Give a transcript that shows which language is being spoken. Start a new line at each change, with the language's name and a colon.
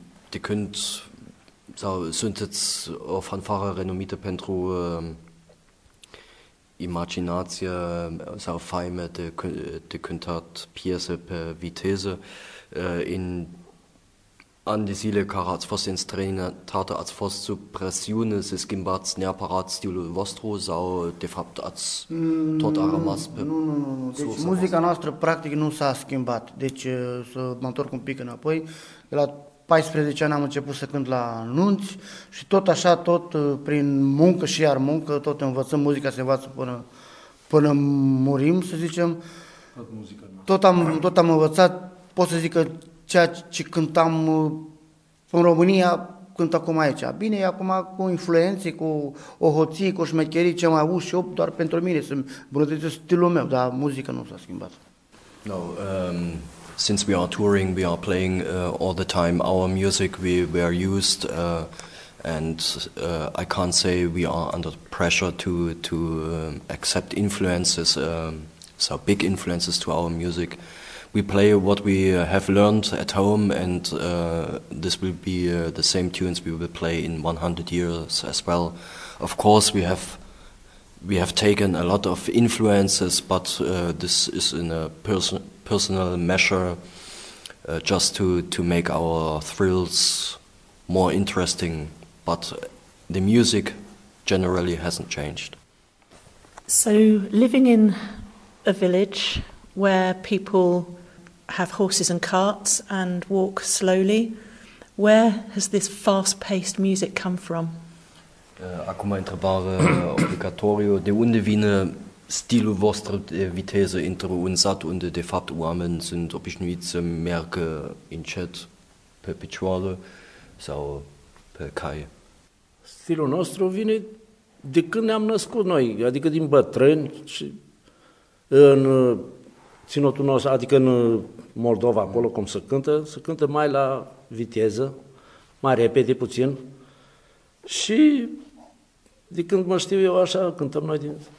Romanian: De könnt sau sind jetzt auf Fanfare renommierte Pentru Imaginatia sau Feime de könnt hat Pierce per Vitese in an die Seele Karats fast ins Trainer Tate als fast zu Pressione es Gimbats Nerparat Stil Vostro sau de fapt als tot aramas pe deci muzica noastră practic nu s-a schimbat, deci să mă întorc un pic înapoi. La 14 ani am început să cânt la nunți și tot așa, tot prin muncă și iar muncă, tot învățăm, muzica se învață până murim, să zicem. Tot am învățat, pot să zic că ceea ce cântam în România, cânt acum aici. Bine, acum cu influențe, cu o hoție, cu șmecherii, ce am avut și eu, doar pentru mine, să-mi îmbrătățesc stilul meu, dar muzica nu s-a schimbat.
English: No, since we are touring, we are playing all the time our music we are used, and I can't say we are under pressure to accept influences, so big influences to our music. We play what we have learned at home, and this will be the same tunes we will play in 100 years as well. Of course, we have taken a lot of influences, but this is in a personal measure, just to make our thrills more interesting, but the music generally hasn't changed. So living in a village where people have horses and carts and walk slowly, where has this fast-paced music come from?
Romanian: Acum întrebare obligatorie. De unde vine stilul vostru de viteză între un sat unde, de fapt, oameni sunt obișnuiți să meargă încet pe picioare sau pe cai? Stilul nostru vine de când ne-am născut noi, adică din bătrâni, și în ținutul nostru, adică în Moldova, acolo, cum se cântă mai la viteză, mai repede puțin, și de când mă știu eu așa, cântăm noi din...